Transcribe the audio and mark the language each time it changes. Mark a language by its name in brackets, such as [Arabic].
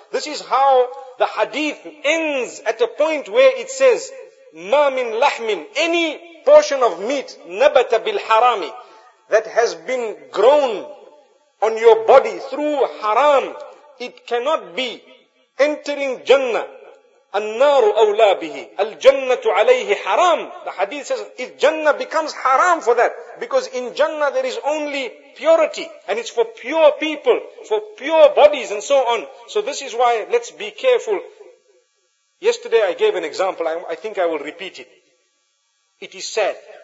[English] This is how the hadith ends, at a point where it says, [Arabic] مَا مِن لَحْمٍ, [English] any portion of meat, [Arabic] نَبَتَ بِالْحَرَامِ, [English] that has been grown on your body through haram, it cannot be entering Jannah. [Arabic] النار أولى به الجنة عليه حرام. [English] The hadith says, if Jannah becomes haram for that, because in Jannah there is only purity, and it's for pure people, for pure bodies and so on. So this is why, let's be careful. Yesterday I gave an example, I think I will repeat it. It is sad.